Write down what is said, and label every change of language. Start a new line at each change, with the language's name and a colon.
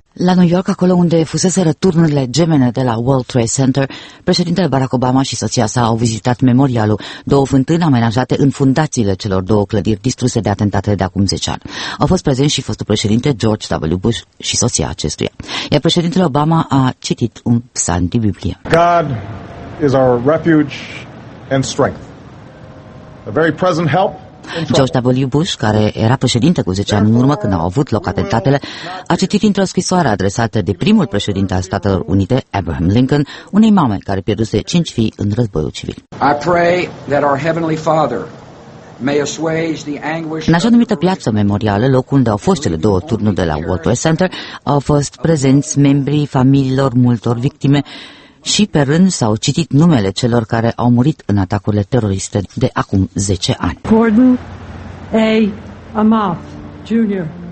Romanian: La New York, acolo unde fuseseră turnurile gemene de la World Trade Center, președintele Barack Obama și soția sa au vizitat memorialul, două fântâni amenajate în fundațiile celor două clădiri distruse de atentatele de acum 10 ani. Au fost prezenți și fostul președinte George W. Bush și soția acestuia. Iar președintele Obama a citit un psalm din Biblie.
English: God is our refuge and strength, a very present help.
Romanian: George W. Bush, care era președinte cu 10 ani în urmă când au avut loc atentatele, a citit într-o scrisoare adresată de primul președinte al Statelor Unite, Abraham Lincoln, unei mame care pierduse 5 fii în războiul civil.
English: I pray that our Heavenly Father may assuage the anguish.
Romanian: În așa numită piață memorială, locul unde au fost cele două turnuri de la World Trade Center, au fost prezenți membrii familiilor multor victime și pe rând s-au citit numele celor care au murit în atacurile teroriste de acum 10 ani. Gordon A. Amath Jr.